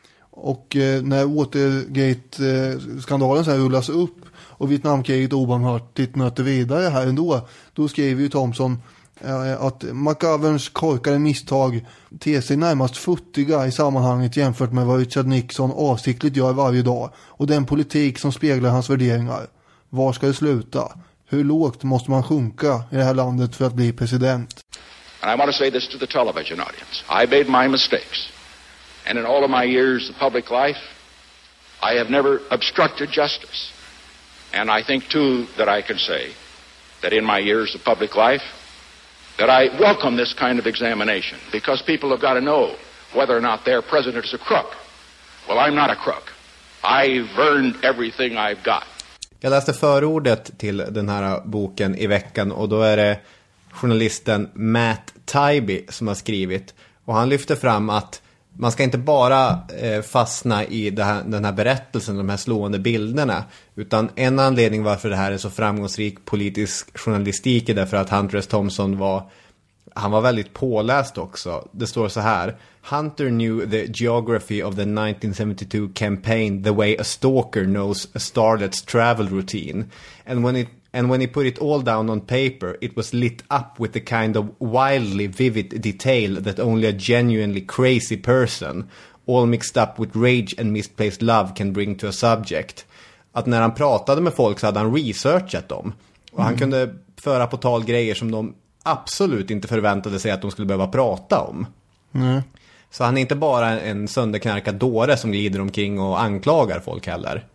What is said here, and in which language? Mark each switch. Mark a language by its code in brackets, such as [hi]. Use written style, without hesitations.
[sv] Och när Watergate-skandalen så här rullas upp och Vietnamkriget obarmhärtigt nöter vidare här ändå, då skriver ju Thompson att McGoverns korkade misstag ter sig närmast futtiga i sammanhanget jämfört med vad Richard Nixon avsiktligt gör varje dag och den politik som speglar hans värderingar. Var ska det sluta? Hur lågt måste man sjunka i det här landet för att bli president? [en] And I want to say this to the television audience. I made my mistakes. And in all of my years of public life, I have never obstructed justice. And I think, too, that I can say that in my years of public life, that I welcome this kind of examination, because people have got to know whether or not their president is a crook. Well, I'm not a crook. I've earned everything I've got. [sv] Jag läste förordet till den här boken i veckan, och då är det journalisten Matt Taibbi som har skrivit. Och han lyfter fram att man ska inte bara fastna i den här berättelsen, de här slående bilderna, utan en anledning varför det här är så framgångsrik politisk journalistik är därför att Hunter S. Thompson var väldigt påläst också. Det står så här: [en] Hunter knew the geography of the 1972 campaign the way a stalker knows a starlet's travel routine. And when he put it all down on paper, it was lit up with the kind of wildly vivid detail that only a genuinely crazy person, all mixed up with rage and misplaced love, can bring to a subject. [sv] Att när han pratade med folk så hade han researchat dem. Och han kunde föra på tal grejer som de absolut inte förväntade sig att de skulle behöva prata om. Nej. Så han är inte bara en sönderknarkad dåre som glider omkring och anklagar folk heller.